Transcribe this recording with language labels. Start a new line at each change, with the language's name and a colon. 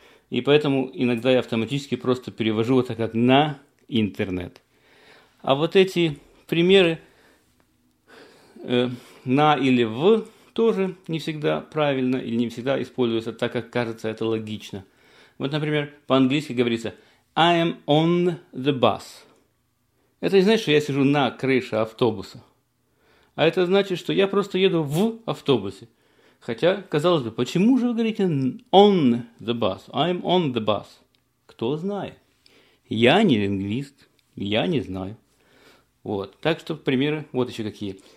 Russian: И поэтому иногда я автоматически просто перевожу это как «на интернет». А вот эти примеры «на» или «в» тоже не всегда правильно или не всегда используются так, как кажется это логично. Вот, например, по-английски говорится
English: «I am on the bus».
Russian: Это не значит, что я сижу на крыше автобуса. А это значит, что я просто еду в автобусе. Хотя, казалось бы, почему же вы говорите
English: «on the bus», «I'm on the bus»?
Russian: Кто знает? Я не лингвист, я не знаю. Вот, так что примеры вот еще какие.